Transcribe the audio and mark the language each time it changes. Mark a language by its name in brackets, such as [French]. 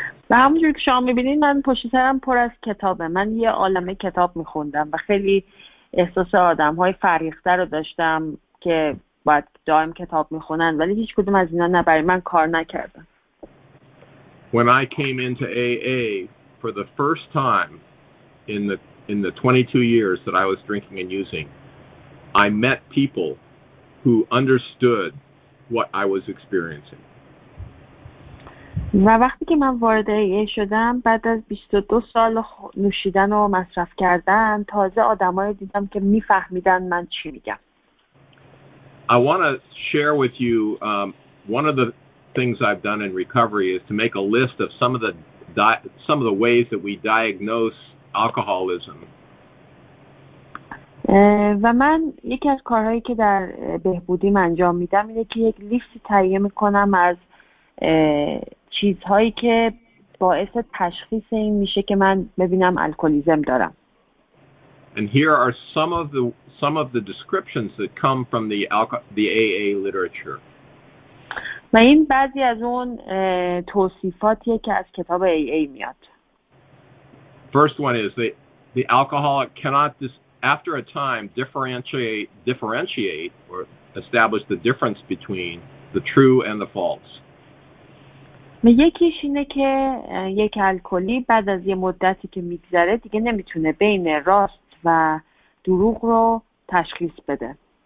[Persian] و همونجور که شما میبینید من پشت سرم پر از کتابه. من یه عالمه کتاب میخوندم و خیلی احساس آدم های فریخته رو داشتم که باید دائم کتاب میخونن ولی هیچ کدوم از اینا نه برای من کار نکردن. [English] When I came into AA for the first time in the 22 years that I was drinking and using, I met people who understood what I was experiencing. [Persian] و وقتی که من وارد AA شدم بعد از 22 سال نوشیدن و مصرف کردن تازه آدمای دیدم که میفهمیدن من چی میگم. [English] I want to share with you one of the things I've done in recovery is to make a list of some of the ways that we diagnose alcoholism. [Persian] و من یکی از کارهایی که در بهبودیم انجام میدم اینه که یک لیستی تهیه میکنم از چیزهایی که باعث تشخیص این میشه که من ببینم الکلیزم دارم. [English] And here are some of the descriptions that come from the AA literature. [Persian] و این بعضی از اون توصیفاتیه که از کتاب AA میاد. [English] First one is the alcoholic cannot after a time differentiate or establish the difference between the true and the false. [Persian] یکیش اینه که یک الکلی بعد از یه مدتی که میگذره دیگه نمیتونه بین راست و دروغ رو تشخیص بده.